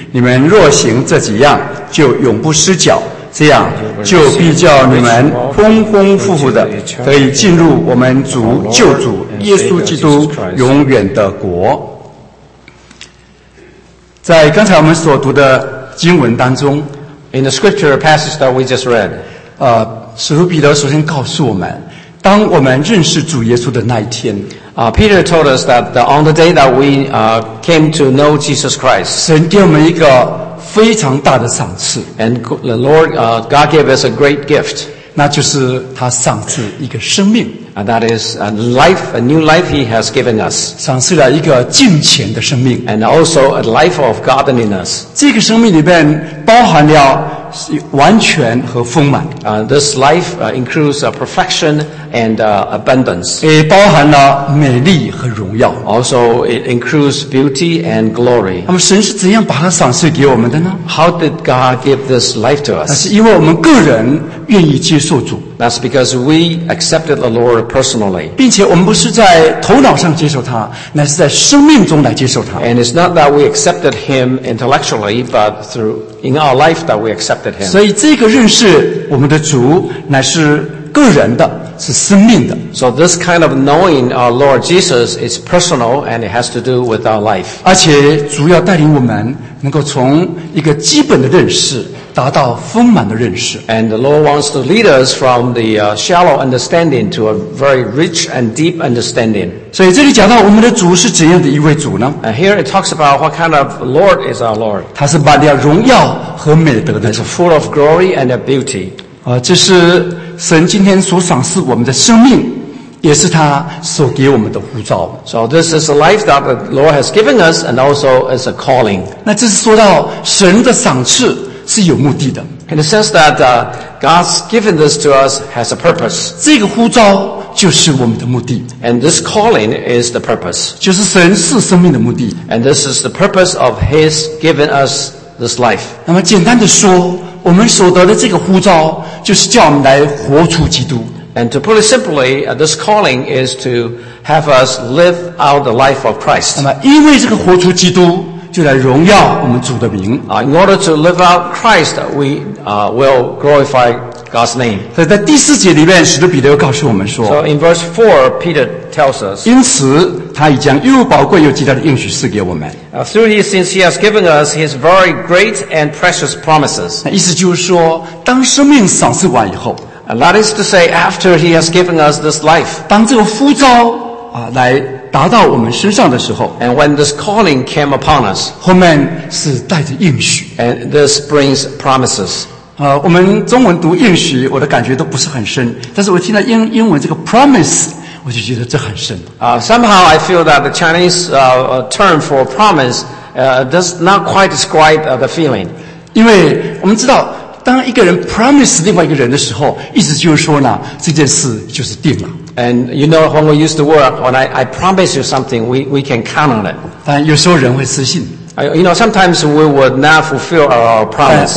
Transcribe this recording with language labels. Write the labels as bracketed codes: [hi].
[zh] 你们若行这几样，就永不失脚，这样就必叫你们丰丰富富的得以进入我们主救主耶稣基督永远的国。在刚才我们所读的经文当中， [en] In the scripture passage that we just read， [zh] 使徒彼得首先告诉我们，当我们认识主耶稣的那一天， [en] Peter told us that on the day that we came to know Jesus Christ， [zh] 神给我们一个非常大的赏赐， [en] and the Lord God gave us a great gift， [zh] 那就是他赏赐一个生命， [en] and that is a life, a new life he has given us， [zh] 赏赐了一个敬虔的生命， [en] and also a life of godliness， [zh] 这个生命里面包含了完全和丰满。 [en] This life includes perfection and abundance， [zh] 也包含了美丽和荣耀。 [en] Also it includes beauty and glory。 [zh] 那么神是怎样把它赏赐给我们的呢？ [en] How did God give this life to us？ [zh] 那是因为我们个人愿意接受主。 [en] That's because we accepted the Lord personally， [zh] 并且我们不是在头脑上接受他，乃是在生命中来接受他。 [en] And it's not that we accepted him intellectually， but through in our life that we accepted him。 [zh] 所以这个认识我们的主，乃是个人的，是生命的。 [en] So this kind of knowing our Lord Jesus is personal and it has to do with our life。 [zh] 而且主要带领我们能够从一个基本的认识，达到丰满的认识。 [en] And the Lord wants to lead us from the shallow understanding to a very rich and deep understanding. [zh] 所以这里讲到我们的主是怎样的一位主呢？ [en] Here it talks about what kind of Lord is our Lord. [zh] 他是满了荣耀和美德的。 [en] He's full of glory and beauty. [zh] 这是神今天所赏赐我们的生命，也是他所给我们的呼召。 [en] So this is a life that the Lord has given us and also is a calling. [zh] 那这是说到神的赏赐是有目的的。 [en] In the sense that God's given this to us has a purpose. [zh] 这个呼召就是我们的目的。 [en] And this calling is the purpose. [zh] 就是神赐生命的目的。 [en] And this is the purpose of His giving us this life. [zh] 那么简单的说，我们所得的这个呼召就是叫我们来活出基督。 [en] And to put it simply, this calling is to have us live out the life of Christ. [zh] 那么因为这个活出基督，就来荣耀我们主的名。 [en] In order to live out Christ, we will glorify God's name. [zh] 所以在第四节里面，使徒彼得告诉我们说， [en] So in verse 4, Peter tells us， [zh] 因此他已将又宝贵又极大的应许赐给我们。 [en] Through this, since he has given us his very great and precious promises， [zh] 意思就是说，当生命赏赐完以后， [en] That is to say, after he has given us this life， [zh] 当这个呼召来达到我们身上的时候， [en] And when this calling came upon us， [zh] 后面是带着应许， [en] And this brings promises。 [zh] 我们中文读应许我的感觉都不是很深，但是我听到 英文这个 promise 我就觉得这很深。 [en] Somehow I feel that the Chinese term for promise does not quite describe the feeling。 [zh] 因为我们知道当一个人 promise 另外一个人的时候，意思就是说呢，这件事就是定了。 [en] And you know when we use the word, when I promise you something, we can count on it. [zh] 但有时候人会失信。 [en] You know, sometimes we would not fulfill our promise.